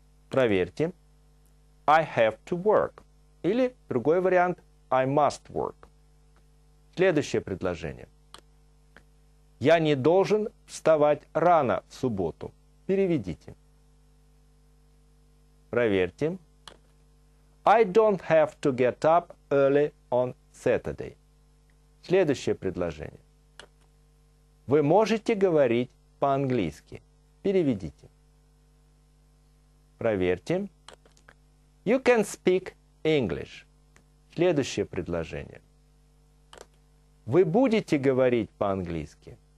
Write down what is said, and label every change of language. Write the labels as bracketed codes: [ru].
[ru] Проверьте. [en] I have to work. [ru] Или другой вариант. [en] I must work. [ru] Следующее предложение. Я не должен вставать рано в субботу. Переведите. Проверьте. [en] I don't have to get up early on Saturday. [ru] Следующее предложение. Вы можете говорить по-английски. Переведите. Проверьте. [en] You can speak English. [ru] Следующее предложение. Вы будете говорить по-английски.